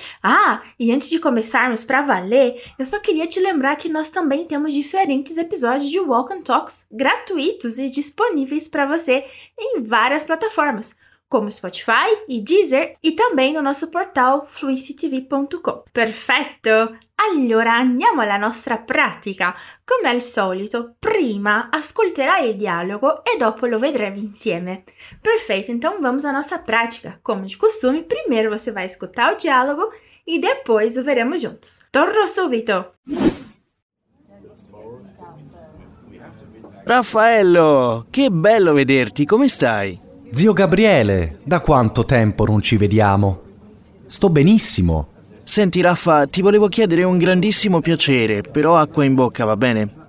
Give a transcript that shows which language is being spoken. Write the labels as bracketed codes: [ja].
[pt] Ah, e antes de começarmos pra valer, eu só queria te lembrar que nós também temos diferentes episódios de Walk and Talks gratuitos e disponíveis para você em várias plataformas, como Spotify e Deezer, e também no nosso portal fluencytv.com. Perfeito! [it] Allora, andiamo alla nostra pratica. Come al solito, prima ascolterai il dialogo e dopo lo vedremo insieme. [pt] Perfeito, então vamos à nossa prática. Como de costume, primeiro você vai escutar o dialogo e depois o veremos juntos. [it] Torno subito! Raffaello, che bello vederti, come stai? Zio Gabriele, da quanto tempo non ci vediamo? Sto benissimo. Senti, Raffa, ti volevo chiedere un grandissimo piacere, però acqua in bocca, va bene?